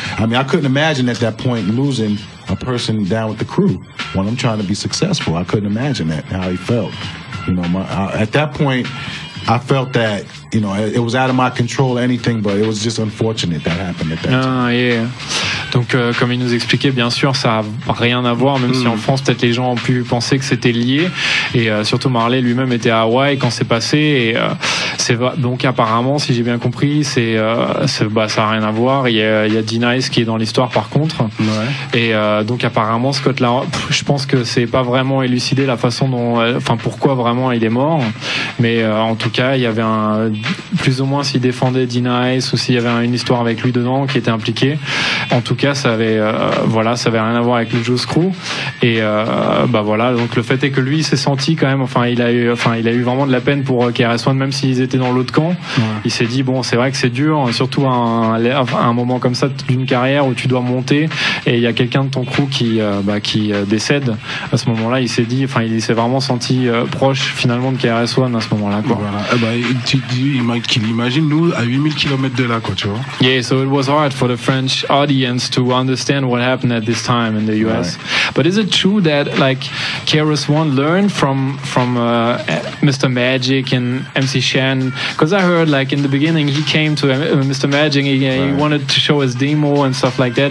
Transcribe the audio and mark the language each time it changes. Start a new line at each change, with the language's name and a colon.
English: I mean, I couldn't imagine at that point losing a person down with the crew when I'm trying to be successful. I couldn't imagine that, how he felt. You know, at that point, I felt that, you know, it was out of my control, anything, but it was just unfortunate that happened at that time. Yeah.
French: Donc, comme il nous expliquait, bien sûr, ça n'a rien à voir, même si en France, peut-être les gens ont pu penser que c'était lié. Et surtout, Marley lui-même était à Hawaï quand c'est passé. Et donc, apparemment, si j'ai bien compris, ça n'a rien à voir. Il y a D-Nice qui est dans l'histoire, par contre. Ouais. Et donc, apparemment, Scot La Rock, je pense que c'est pas vraiment élucidé la façon dont, enfin, pourquoi vraiment il est mort. Mais en tout cas, il y avait plus ou moins s'il défendait D-Nice ou s'il y avait une histoire avec lui dedans qui était impliquée. En tout cas, ça avait rien à voir avec le Juice Crew. Et donc le fait est que lui il s'est senti quand même, il a eu vraiment de la peine pour KRS-One, même s'ils étaient dans l'autre camp. Ouais. Il s'est dit, bon, c'est vrai que c'est dur, surtout à un moment comme ça d'une carrière où tu dois monter et il y a quelqu'un de ton crew qui décède. À ce moment-là, il s'est vraiment senti proche finalement de KRS-One à ce moment-là. Il imagine nous à 8000 km de là, quoi, tu vois.
English: Yeah, so it was hard for the French audience to understand what happened at this time in the US. Right. But is it true that like KRS-One learned from Mr. Magic and MC Shan? Because I heard like in the beginning he came to Mr. Magic and he wanted to show his demo and stuff like that.